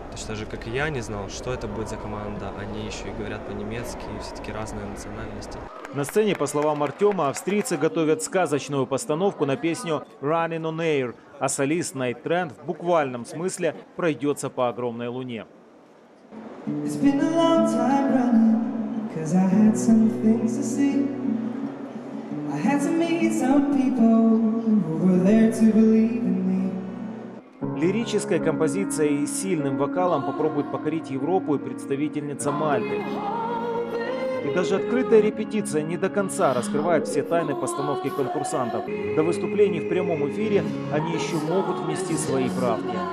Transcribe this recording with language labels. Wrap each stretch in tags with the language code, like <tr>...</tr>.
<ru>Точно так же, как и я, не знал, что это будет за команда. Они еще и говорят по-немецки, и все-таки разные национальности. На сцене, по словам Артема, австрийцы готовят сказочную постановку на песню «Running on Air», а солист Night Trend в буквальном смысле пройдется по огромной луне.</ru> <en>It's been a long time running, 'cause I had some things to see. I had to meet some people who were there to believe in me.</en> <ru>Лирической композицией и сильным вокалом попробует покорить Европу и представительница Мальты. И даже открытая репетиция не до конца раскрывает все тайны постановки конкурсантов. До выступлений в прямом эфире они еще могут внести свои правки.</ru>